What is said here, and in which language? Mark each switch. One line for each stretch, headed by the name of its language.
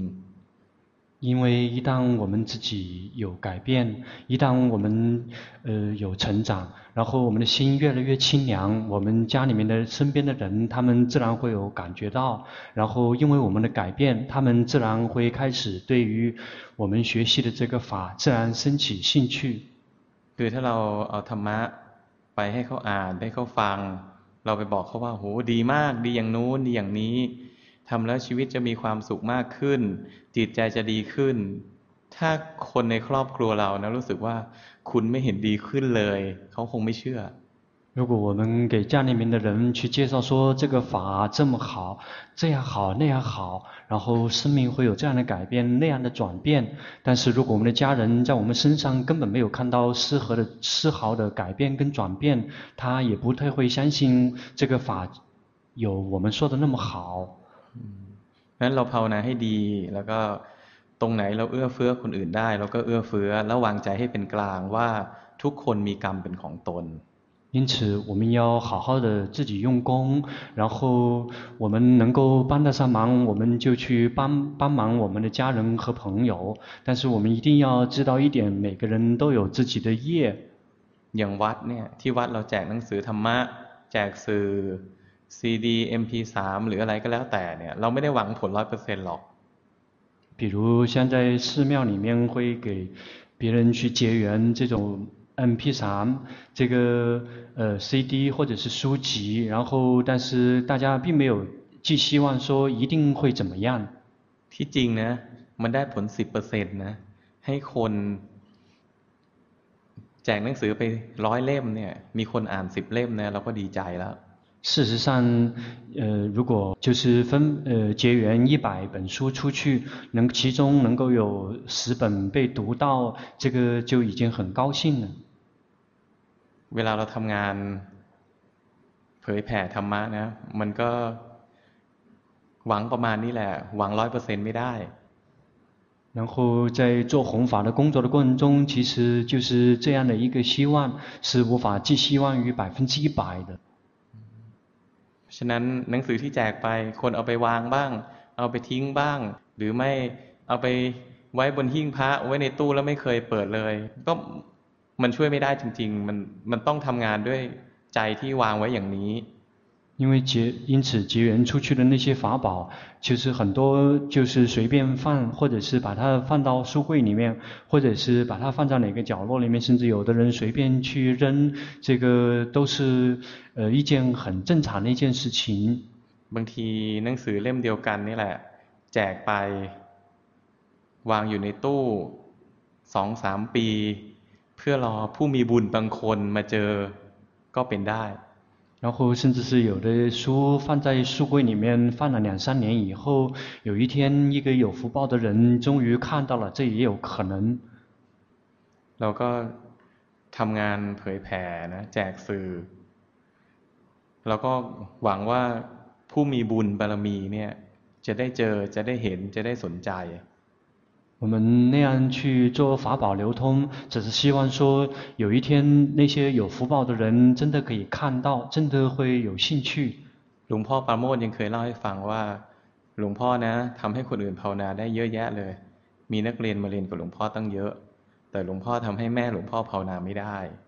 Chinese: ๆ因为一旦我们自己有改变一旦我们有成长然后我们的心越来越清凉我们家里面的身边的人他们自然会有感觉到然后因为我们的改变他们自然会开始对于我们学习的这个法自然升起兴趣对
Thai: ถ้าเราเอาธรรมะ ไปให้เขาอ่านให้เขาฟังเราไปบอกเขาว่าโหดีมากดีอย่างนู้นดีอย่างนี้ทำแล้วชีวิตจะมีความสุขมากขึ้นจิตใจจะดีขึ้นถ้าคนในครอบครัวเรานะรู้สึกว่าคุณไม่เห็นดีขึ้นเลยเขาคงไม่เชื่อ
Chinese: 如果我们给家里面的人去介绍说这个法这么好这样好那样好然后生命会有这样的改变那样的转变但是如果我们的家人在我们身上根本没有看到丝毫的改变跟转变他也不太会相信这个法有我们说的那么好那我们
Thai: ภาวนาให้ดีแล้วก็ตรงไหนเราเอื้อเฟื้อคนอื่นได้เราก็เอื้อเฟื้อแล้ววางใจให้เป็นกลางว่าทุกคนมีกรรมเป็นของตน
Chinese: 因此我们要好好的自己用功然后我们能够帮得上忙我们就去帮忙我们的家人和朋友但是我们一定要知道一点每个人都有自己的业
Thai: อย่างวัดเนี่ยที่วัดเราแจกหนังสือธรรมะแจกสื่อ CD MP3 หรืออะไรก็แล้วแต่เนี่ยเราไม่ได้หวังผล 100% หรอก
Chinese: 比如现在寺庙里面会给别人去结缘这种MP3 这个CD 或者是书籍然后但是大家并没有寄希望说一定会怎么样
Thai: ที่จริงนะมันได้ผล 10% นะให้คนแจกหนังสือไป100เล่มเนี่ยมีคนอ่าน10เล่มนะเราก็ดีใจแล้ว
Chinese: 事实上如果就是分结缘100本书出去能其中能够有10本被读到这个就已经很高兴了
Thai: เวลาเราทำงานเผยแผ่ธรรมะนะมันก็หวังประมาณนี้แหละหวัง 100% ไม่ได้
Chinese: 然后在做弘法的工作的过程中其实就是这样的一个希望是无法寄希望于 100% 的
Thai: ฉะนั้นหนังสือที่แจกไปคนเอาไปวางบ้างเอาไปทิ้งบ้างหรือไม่เอาไปไว้บนหิ้งพระไว้ในตู้แล้วไม่เคยเปิดเลยก็มันช่วยไม่ได้จริงๆมันต้องทำงานด้วยใจที่วางไว้อย่างนี้
Chinese: 因此结缘出去的那些法宝其实很多就是随便放或者是把它放到书柜里面或者是把它放在哪个角落里面甚至有的人随便去扔这个都是一件很正常的一件事情
Thai: บางทีหนังสือเล่มเดียวกันนี่แหละแจกไปวางอยู่ในตู้ 2-3 ปีเพื่อรอผู้มีบุญบางคนมาเจอก็เป็นได้
Chinese: 然后甚至是有的书放在书柜里面放了两三年以后有一天一个有福报的人终于看到了这也有可能
Thai: เราก็ทำงานเผยแผ่นะแจกสื่อเราก็หวังว่าผู้มีบุญบารมีเนี่ยจะได้เจอจะได้เห็นจะได้สนใจ
Chinese: 我们那样去做法宝流通只是希望说有一天那些有福报的人真的可以看到真的会有兴趣
Thai: หลวงพ่อปราโมทยังเคยเล่าให้ฟังว่าหลวงพ่อนะทำให้คนอื่นภาวนาได้เยอะแยะเลยมีนักเรียนมาเรียนกับหลวงพ่อตั้งเยอะแต่หลวงพ่อทำให้แม่หลวงพ่อภาวนาไม่ได้